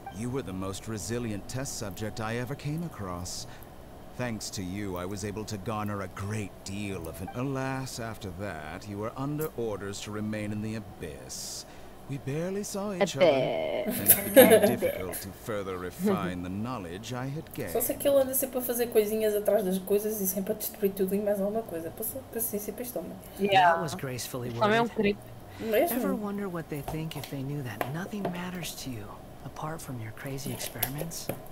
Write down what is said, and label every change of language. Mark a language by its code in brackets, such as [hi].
[en] You were the most resilient test subject I ever came across. Thanks to you, I was able to garner a great deal of... Alas, after that, you were under orders to remain in the abyss. We barely saw each other, and it became difficult to further refine the knowledge I had gained. [pt] Só sei que ele anda sempre a fazer coisinhas atrás das coisas e sempre a destruir tudo e mais alguma coisa. Paciência para este homem. [en] That was gracefully worded. [pt] Mesmo. [en] Ever wonder what they think if they knew that nothing matters to you, apart from your crazy experiments?